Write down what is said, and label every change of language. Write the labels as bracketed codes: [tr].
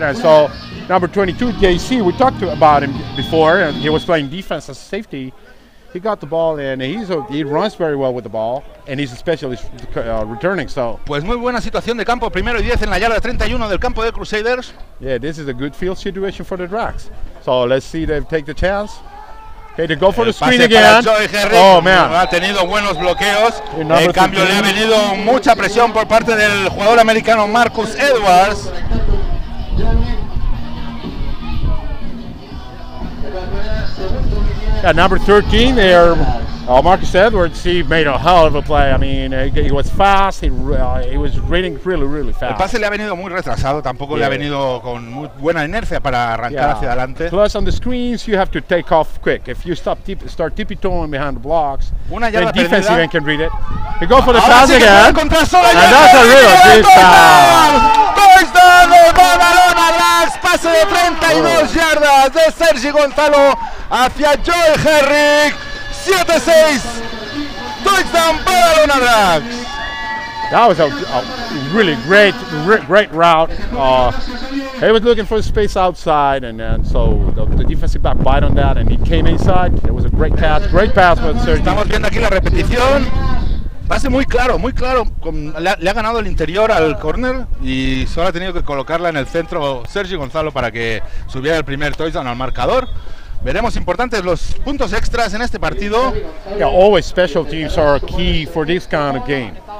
[en] And so number 22, JC, we talked about him before, and he was playing defense as safety. He got the ball and he runs very well with the ball and he's especially returning, so. [es] Pues muy buena situación de campo, primero y 10 en la yarda 31 del campo de Crusaders. [en] Yeah, this is a good field situation for the Drax. So let's see if they take the chance. Okay, to go for [es] el [en] the screen [es] pase [en] again. [es] Para Joey Harry. [en] Oh man, [es] ha tenido buenos bloqueos. En cambio le ha venido mucha presión por parte del jugador americano Marcus Edwards. [en] Yeah, number 13 there. Marcus Edwards, he made a hell of a play. I mean, he was fast. He was running really, really fast. [es] El pase le ha venido muy retrasado. Tampoco le ha venido con muy buena inercia para arrancar hacia adelante. [en] Plus, on the screens, you have to take off quick. If you start tippy-toeing behind the blocks, the defense even can read it. He go for the pass again. And that's a real great pass. [es] Pase de 32 yardas de Sergi Gonzalo hacia Joey Herrick. 7-6. [en] Touchdown Barcelona Drags. That was a really great route. He was looking for space outside, and so the defensive back bite on that, and he came inside. It was a great pass for Sergi. [es] Estamos viendo aquí la repetición. Pase muy claro, le ha ganado el interior al corner y solo ha tenido que colocarla en el centro Sergi Gonzalo para que subiera el primer touchdown al marcador. Veremos importantes los puntos extras en este partido. [en] Yeah, always special teams are key for this kind of game.